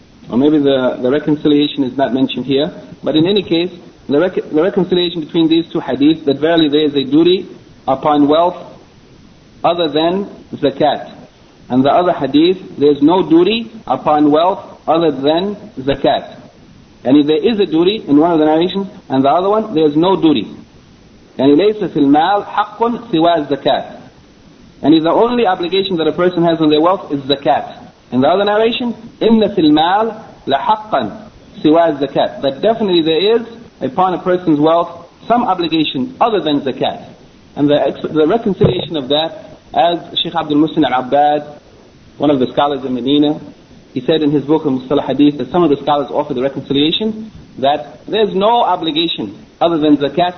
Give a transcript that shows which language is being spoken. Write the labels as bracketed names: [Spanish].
[English] Or maybe the reconciliation is not mentioned here, but in any case, the reconciliation between these two hadith, that verily there is a duty upon wealth other than zakat. And the other hadith, there is no duty upon wealth other than zakat. And if there is a duty in one of the narrations, and the other one, there is no duty. [Arabic] And لَيْسَ فِي الْمَالِ حَقٌ سِوَى الزَّكَاةِ. [English] And if the only obligation that a person has on their wealth is zakat. In the other narration, [Arabic] إِنَّ فِي الْمَالِ لَحَقًّا سِوَى الزَّكَاةِ. [English] That definitely there is, upon a person's wealth, some obligation other than zakat. And the reconciliation of that, as Sheikh Abdul Muhsin al-Abbad, one of the scholars in Medina, he said in his book, Al-Mustalah Hadith, that some of the scholars offer the reconciliation, that there's no obligation other than zakat.